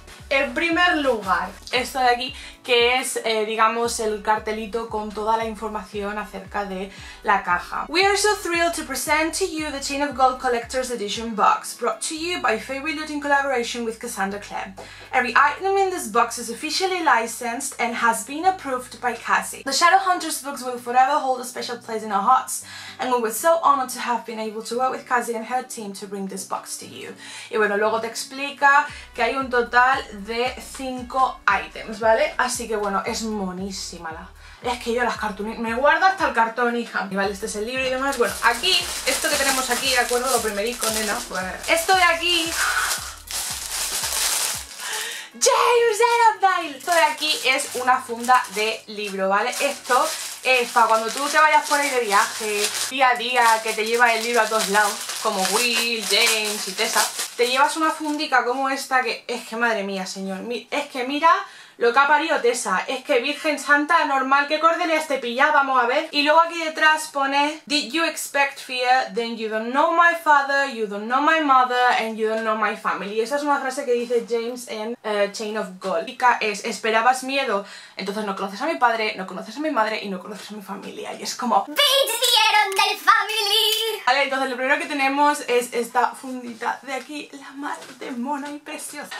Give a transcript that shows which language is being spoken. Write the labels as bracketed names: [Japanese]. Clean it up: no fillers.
[Spanish] En primer lugar, esto de aquí, que es, digamos, el cartelito con toda la información acerca de la caja. [English] We are so thrilled to present to you the Chain of Gold Collector's Edition box, brought to you by Fairy Loot in collaboration with Cassandra Clare. Every item in this box is officially licensed and has been approved by Cassie. The Shadowhunters books will forever hold a special place in our hearts, and we were so honored to have been able to work with Cassie and her team to bring this box to you. [Spanish] Y bueno, luego te explica que hay un total de 5 items, ¿vale? Así que bueno, es monísima la... Es que yo las cartulinas... Me guardo hasta el cartón, hija. Y vale, este es el libro y demás. Bueno, aquí, esto que tenemos aquí, ¿de acuerdo? Lo primerico, nena. Pues... Esto de aquí... ¡James Arundel! Esto de aquí es una funda de libro, ¿vale? Esto es para cuando tú te vayas por ahí de viaje, día a día, que te lleva el libro a todos lados, como Will, James y Tessa, te llevas una fundica como esta que... Es que madre mía, señor. Es que mira... Lo que ha parido Tessa, es que Virgen Santa, normal que Cordelia esté pillada, vamos a ver. Y luego aquí detrás pone, [English] did you expect fear, then you don't know my father, you don't know my mother, and you don't know my family. [Spanish] Esa es una frase que dice James en Chain of Gold. Es, esperabas miedo, entonces no conoces a mi padre, no conoces a mi madre y no conoces a mi familia. Y es como, [English] beat the Arundel family. [Spanish] Vale, entonces lo primero que tenemos es esta fundita de aquí, la más de mona y preciosa.